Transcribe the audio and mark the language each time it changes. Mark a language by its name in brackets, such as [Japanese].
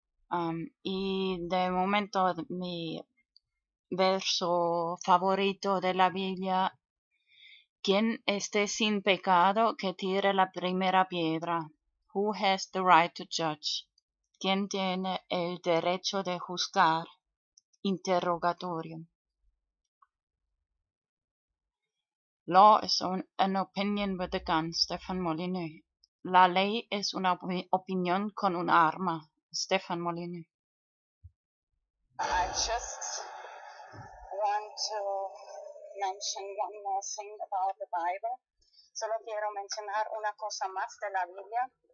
[Spanish] Y de momento mi verso favorito de la Biblia, quien esté sin pecado que tire la primera piedra. [English] Who has the right to judge? [Spanish] ¿Quién tiene el derecho de juzgar? Interrogatorio. [English] Law is an opinion with a gun, Stefan Molyneux. [Spanish] La ley es una opinión con un arma, Stefan Molyneux. [English] I just want to mention one more thing about the Bible. [Spanish] Solo quiero mencionar una cosa más de la Biblia.